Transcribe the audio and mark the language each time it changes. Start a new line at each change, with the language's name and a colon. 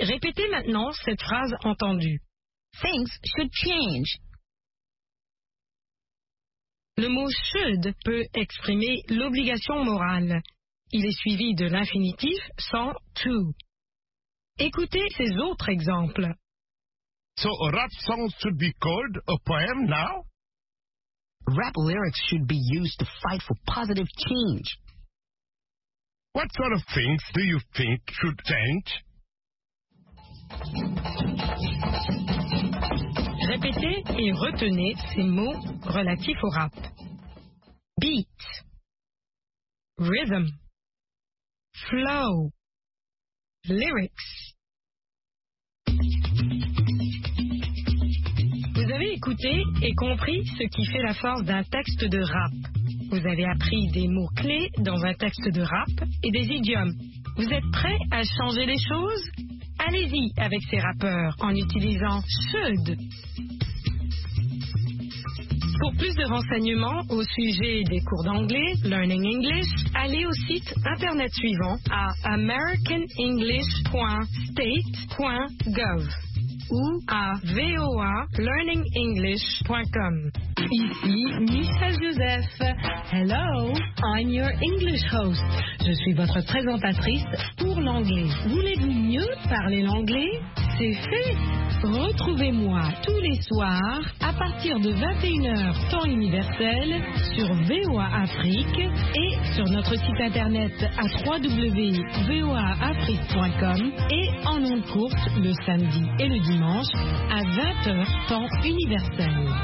French: Répétez maintenant cette phrase entendue.
English: Things should change.
French: Le mot « should » peut exprimer l'obligation morale. Il est suivi de l'infinitif sans « to ». Écoutez ces autres exemples.
English: So a rap song should be called a poem now? Rap lyrics should be used to fight for positive change. What sort of things do you think should change?
French: Répétez et retenez ces mots relatifs au rap.
English: Beat. Rhythm. Flow. Lyrics.
French: Vous avez écouté et compris ce qui fait la force d'un texte de rap. Vous avez appris des mots clés dans un texte de rap et des idiomes. Vous êtes prêt à changer les choses? Allez-y avec ces rappeurs en utilisant should. Pour plus de renseignements au sujet des cours d'anglais, Learning English, allez au site internet suivant à americanenglish.state.gov. ou à voalearningenglish.com. Ici Michel Joseph.
English: Hello, I'm your English host.
French: Je suis votre présentatrice pour l'anglais. Voulez-vous mieux parler l'anglais? C'est fait! Retrouvez-moi tous les soirs à partir de 21h temps universel sur VOA Afrique et sur notre site internet à www.voaafrique.com et en longue course le samedi et le dimanche à 20h temps universel.